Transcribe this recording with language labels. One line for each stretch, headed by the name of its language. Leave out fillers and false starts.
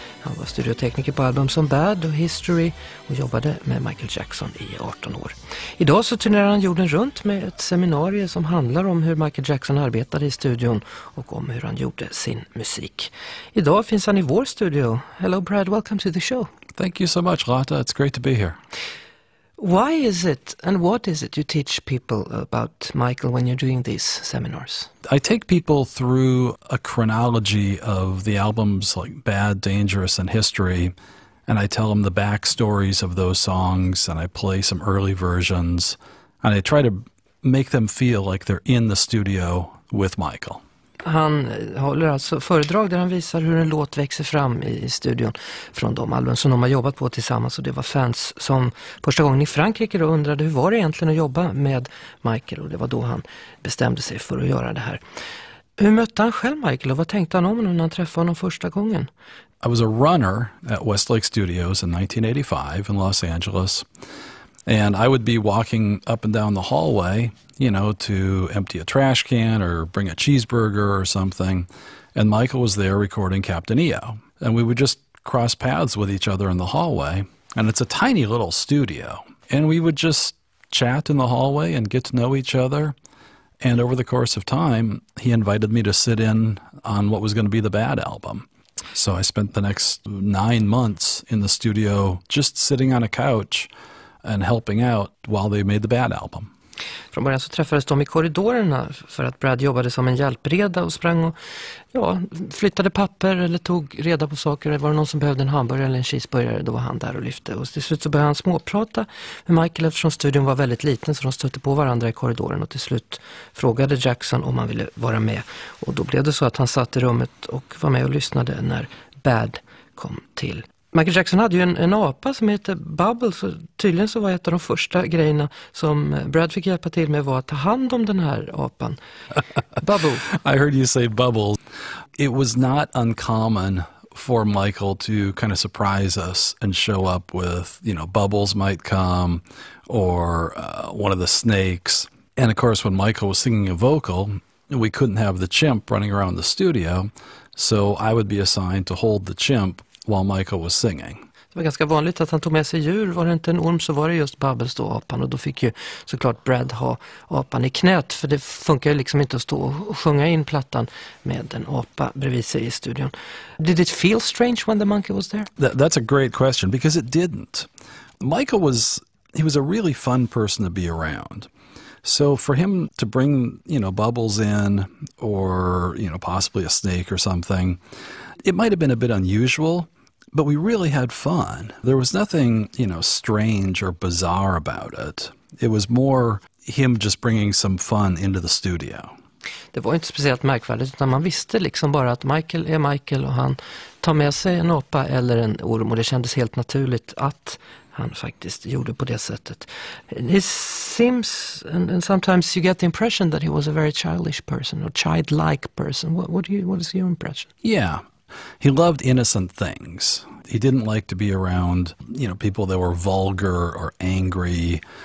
Swedish: Han var studiotekniker på album som Bad och History och jobbade med Michael Jackson i 18 år. Idag så turnerar han jorden runt med ett seminarium som handlar om hur Michael Jackson arbetade i studion och om hur han gjorde sin musik. Idag finns han i vår studio.
English: Hello Brad, welcome to the show. Thank you so much, Rata. It's great to be here. Why is it and what is it you teach people about Michael when you're doing these seminars? I take people through a chronology of the albums like Bad, Dangerous, and History, and I tell them the backstories of those songs, and I play some early versions, and I try to make them feel like they're in the studio with Michael.
Swedish: Han håller alltså föredrag där han visar hur en låt växer fram i studion från de album som de har jobbat på tillsammans. Och det var fans som första gången i Frankrike då undrade hur var det egentligen att jobba med Michael. Och det var då han bestämde sig för att göra det här. Hur mötte han själv Michael och vad tänkte han om när han träffade honom första gången?
English: I was a runner at Westlake Studios in 1985 in Los Angeles. And I would be walking up and down the hallway, you know, to empty a trash can or bring a cheeseburger or something. And Michael was there recording Captain EO. And we would just cross paths with each other in the hallway. And it's a tiny little studio. And we would just chat in the hallway and get to know each other. And over the course of time, he invited me to sit in on what was going to be the Bad album. So I spent the next 9 months in the studio just sitting on a couch and helping out while they made the Bad album.
Swedish: Från början så träffades de i korridorerna för att Brad jobbade som en hjälpreda och sprang och flyttade papper eller tog reda på saker. Var det någon som behövde en hamburgare eller en cheeseburgare, då var han där och lyfte. Och till slut så började han småprata med Michael eftersom studion var väldigt liten, så de stötte på varandra i korridoren och till slut frågade Jackson om han ville vara med. Och då blev det så att han satt i rummet och var med och lyssnade när Bad kom till. Michael Jackson hade ju en apa som heter Bubbles, så tydligen så var ett av de första grejerna som Brad fick hjälpa till med var att ta hand om den här apan.
English: Bubble. I heard you say Bubbles. It was not uncommon for Michael to kind of surprise us and show up with, you know, Bubbles might come or one of the snakes. And of course when Michael was singing a vocal, we couldn't have the chimp running around the studio, so I would be assigned to hold the chimp while Michael was singing.
Swedish: Det var ganska vanligt att han tog med sig djur. Var det inte en orm så var det just Bubbles då, apan. Och då fick ju såklart Brad ha apan i knät. För det funkar ju liksom inte att stå och sjunga in plattan med en apa bredvid sig i studion.
English: Did it feel strange when the monkey was there? That's a great question, because it didn't. Michael was, he was a really fun person to be around. So for him to bring, you know, Bubbles in or, you know, possibly a snake or something, it might have been a bit unusual, but we really had fun. There was nothing, you know, strange or bizarre about it. It was more him just bringing some fun into the studio.
Swedish: Det var inte speciellt märkvärdigt, utan man visste liksom bara att Michael är Michael och han tar med sig en apa eller en orm, och det kändes helt naturligt att han faktiskt gjorde på det sättet.
English: It seems, and sometimes you get the impression that he was a very childish person or childlike person. What is your impression? Yeah. He loved innocent things. He didn't like to be around, you know, people that were vulgar or angry.